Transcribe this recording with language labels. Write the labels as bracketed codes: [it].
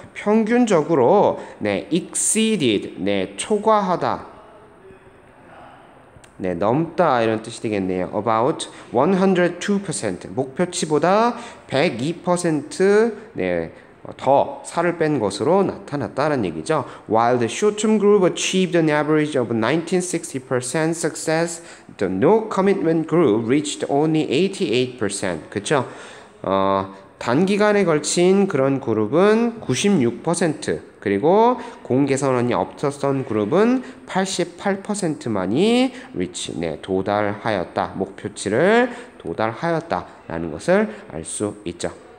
[ko] 평균적으로 exceeded, 초과하다. 넘다 이런 뜻이 되겠네요. About 102%, 목표치보다 102% 더 살을 뺀 것으로 나타났다는 얘기죠. [en] While the short-term group achieved an average of 1960% success, the no commitment group reached only 88%. [ko] 그쵸? 단기간에 걸친 그런 그룹은 96%, 그리고 공개 선언이 없었던 그룹은 88%만이 reach, 도달하였다. 목표치를 도달하였다라는 것을 알수 있죠.